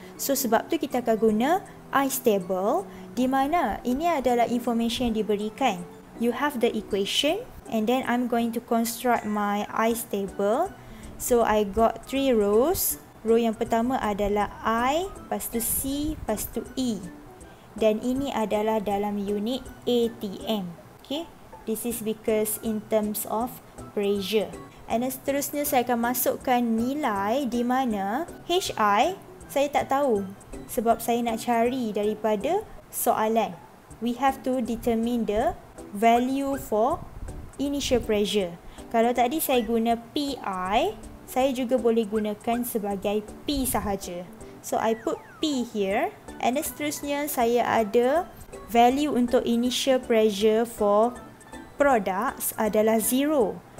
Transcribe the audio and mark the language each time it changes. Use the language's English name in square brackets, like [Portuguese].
[Malay] So, sebab tu kita akan guna I stable di mana ini adalah information yang diberikan. [English] You have the equation. And then I'm going to construct my I stable. So I got 3 rows. [Malay] Row yang pertama adalah I, lepas tu C, lepas tu E. Dan ini adalah dalam unit ATM. [English] Okay, this is because in terms of pressure. [Malay] And seterusnya saya akan masukkan nilai di mana Hi, saya tak tahu sebab saya nak cari daripada soalan. [English] We have to determine the value for initial pressure. [Malay] Kalau tadi saya guna PI, saya juga boleh gunakan sebagai P sahaja. [English] So, I put P here. [Malay] And seterusnya, saya ada value untuk initial pressure for products adalah 0.